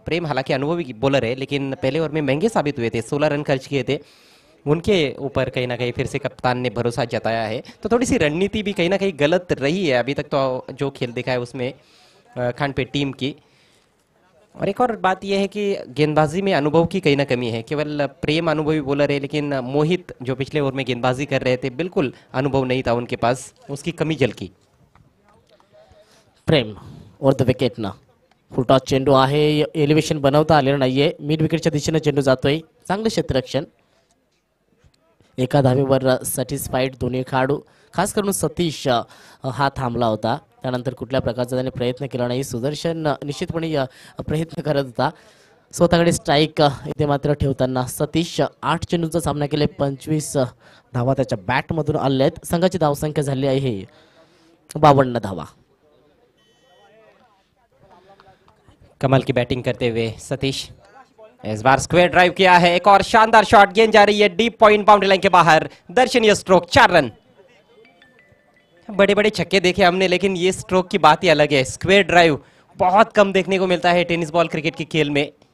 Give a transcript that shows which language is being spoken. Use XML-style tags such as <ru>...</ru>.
<hi>प्रेम हालांकि अनुभवी बॉलर है लेकिन पहले ओवर में महंगे साबित हुए थे, 16 रन खर्च किए थे, उनके ऊपर कहीं ना कहीं फिर से कप्तान ने भरोसा जताया है, तो थोड़ी सी रणनीति भी कहीं ना कहीं गलत रही है अभी तक तो जो खेल देखा है उसमें खांडपे टीम की। और एक और बात यह है कि गेंदबाजी में अनुभव की कहीं ना कमी है, केवल प्रेम अनुभवी बॉलर है लेकिन मोहित जो पिछले ओवर में गेंदबाजी कर रहे थे बिल्कुल अनुभव नहीं था उनके पास, उसकी कमी झलकी।</hi> <mr>प्रेम और द विकेट ना फुटॉस चेंडू आहे, एलिवेशन बनवता आलेलं नाहीये, मिड विकेटच्या दिशेने चेंडू जातोय, चांगलं क्षेत्ररक्षण, एका धावेवर सॅटिस्फाईड दोन्ही खेळाडू, खास करून सतीश हा थांबला होता, त्यानंतर कुठल्या प्रकारचा त्याने प्रयत्न केला नाही। सुदर्शन निश्चितपणे प्रयत्न करत होता, स्वतःकडे स्ट्राईक इथे मात्र ठेवताना सतीश 8 चेंडूंचा सामना केले, 25 धावा त्याच्या बॅटमधून आले आहेत, संघाची धावसंख्या झाली आहे 52 धावा।</mr> <hi>कमाल की बॅटिंग करते हुए सतीश, इस बार स्क्वेयर ड्राइव किया है, एक और शानदार शॉट, गेंद जा रही है डीप पॉइंट बाउंड्री लाइन के बाहर, दर्शनीय स्ट्रोक, 4 रन। बड़े बड़े छक्के देखे हमने लेकिन ये स्ट्रोक की बात ही अलग है, स्क्वेयर ड्राइव बहुत कम देखने को मिलता है टेनिस बॉल क्रिकेट के खेल में।</hi>